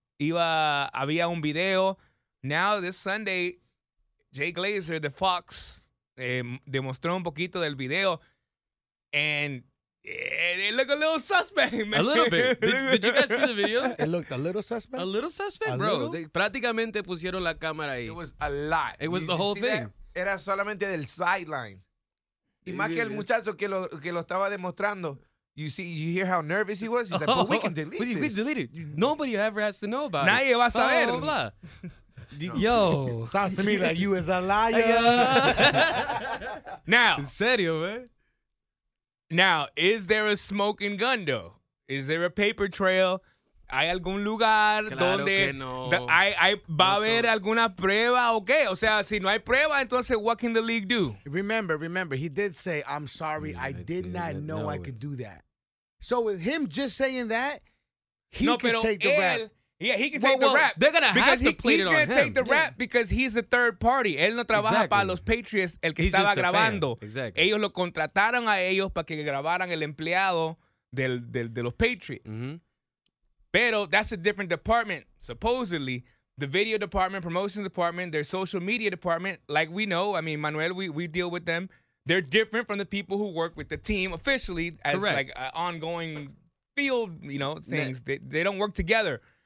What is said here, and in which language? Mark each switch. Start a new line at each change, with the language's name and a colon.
Spanish: Había un video.
English: Now this Sunday, Jay Glazer, the Fox,
Spanish: demostró un poquito del video,
English: and it looked a little suspect, man. A little bit. Did you guys see the video? It looked a little suspect. A little suspect, bro.
Spanish: Prácticamente pusieron la cámara ahí.
English: It was a lot. It was the whole thing.
Spanish: That? Era solamente del sideline. Y más que el muchacho que lo estaba demostrando.
English: You see, you hear how nervous he was? He's like, but we can delete this. We can delete it. Nobody ever has to know about
Spanish: it. Nadie va a saber. Blah, blah, blah. Yo.
English: Sounds to me like you is a liar. Now.
Spanish: En serio, man.
English: Now, is there a smoking gun, though? Is there a paper trail?
Spanish: ¿Hay algún lugar claro donde que no. Va a haber alguna prueba o qué? O sea, si no hay prueba, entonces
English: what can the league do? Remember, he did say, I'm sorry, yeah, I did not know I could do that. So with him just saying that, he can take the rap. They're going to have to plead it on him. He's going to take the rap because he's a third party.
Spanish: Él no trabaja para los Patriots, el que
English: he's
Spanish: estaba grabando.
English: Exactly.
Spanish: Ellos lo contrataron a ellos para que grabaran el empleado de los Patriots. Mm-hmm.
English: Pero that's a different department, supposedly. The video department, promotions department, their social media department, like we know. I mean, Manuel, we deal with them. They're different from the people who work with the team officially as correct. Like ongoing field, you know, things. Yeah. They don't work together.